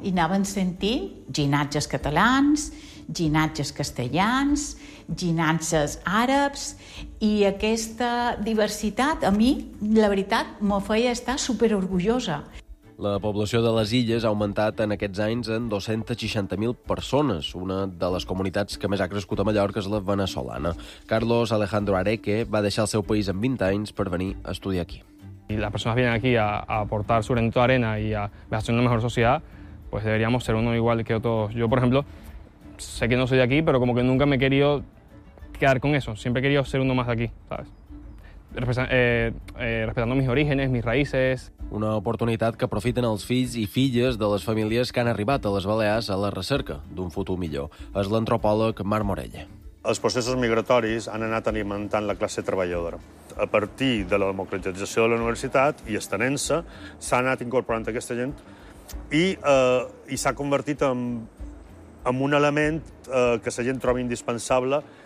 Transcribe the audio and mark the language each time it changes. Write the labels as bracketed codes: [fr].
[ca] I anaven sentint ginatges catalans, ginatges castellans, ginatges àrabs, i aquesta diversitat, a mi, la veritat, m'ho feia estar superorgullosa. La població de les Illes ha augmentat en aquests anys en 260.000 persones. Una de les comunitats que més ha crescut a Mallorca és la veneçolana. Carlos Alejandro Areque va deixar el seu país amb 20 anys per venir a estudiar aquí. [es] Y las personas vienen aquí a aportar su granito de arena y a hacer una mejor sociedad, pues deberíamos ser uno igual que otros. Yo, por ejemplo, sé que no soy de aquí, pero como que nunca me he querido quedar con eso. Siempre he querido ser uno más de aquí, ¿sabes? Respetando mis orígenes, mis raíces. [ca] Una oportunitat que aprofiten els fills i filles de les famílies que han arribat a les Balears a la recerca d'un futur millor. És l'antropòleg Marc Morella. Els processos migratoris han anat alimentant la classe treballadora. A partir de la democratització de la universitat i estenent-se, s'ha anat incorporant aquesta gent i s'ha convertit en un element que la gent troba indispensable.